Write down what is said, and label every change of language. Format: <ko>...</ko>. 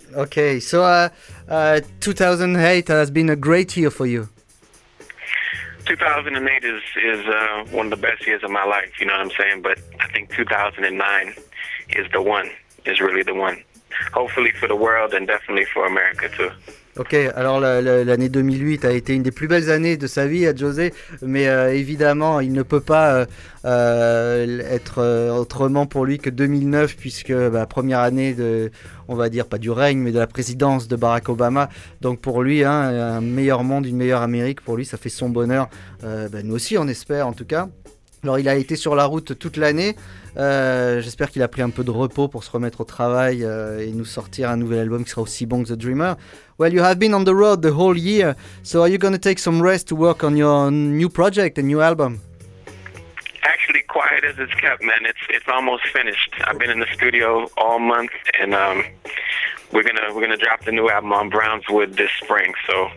<en>Okay, so 2008 has been a great year for you. 2008 is one of the best years of my life, you know what I'm saying? But I think 2009 is really the one. Hopefully for the world and definitely for America too.</en> <fr>Ok, alors l'année 2008 a été une des plus belles années de sa vie à José, mais évidemment il ne peut pas être autrement pour lui que 2009, puisque première année de, on va dire, pas du règne, mais de la présidence de Barack Obama. Donc pour lui, hein, un meilleur monde, une meilleure Amérique, pour lui ça fait son bonheur, nous aussi on espère en tout cas. Alors il a été sur la route toute l'année, j'espère qu'il a pris un peu de repos pour se remettre au travail et nous sortir un nouvel album qui sera aussi bon que The Dreamer.</fr> <en>Well, you have been on the road the whole year, so are you going to take some rest to work on your new project, a new album? Actually, quiet as it's kept, man, it's almost finished. I've been in the studio all month, and we're gonna drop the new album on Brownswood this spring. So</en>